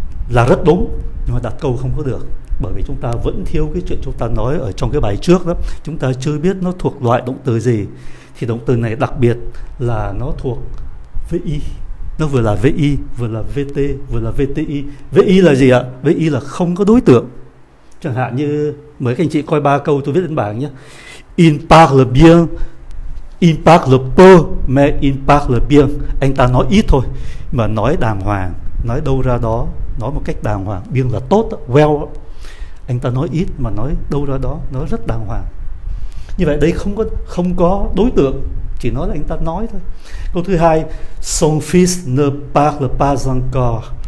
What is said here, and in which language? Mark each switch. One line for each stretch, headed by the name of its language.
Vietnamese: là rất đúng, nhưng mà đặt câu không có được, bởi vì chúng ta vẫn thiếu cái chuyện chúng ta nói ở trong cái bài trước đó, chúng ta chưa biết nó thuộc loại động từ gì. Thì động từ này đặc biệt là nó thuộc VI, nó vừa là VI, vừa là VT, vừa là VTI. VI là gì ạ? VI là không có đối tượng. Chẳng hạn như mấy anh chị coi ba câu tôi viết lên bảng nhé.
French: Il parle bien, il parle peu, mais il parle bien.
Vietnamese: Anh ta nói ít thôi, mà nói đàng hoàng, nói đâu ra đó, nói một cách đàng hoàng. Bien là tốt, well. Anh ta nói ít mà nói đâu ra đó, nói rất đàng hoàng. Như vậy đây không có đối tượng, chỉ nói là anh ta nói thôi. Câu thứ hai,
French: son fils ne parle pas encore.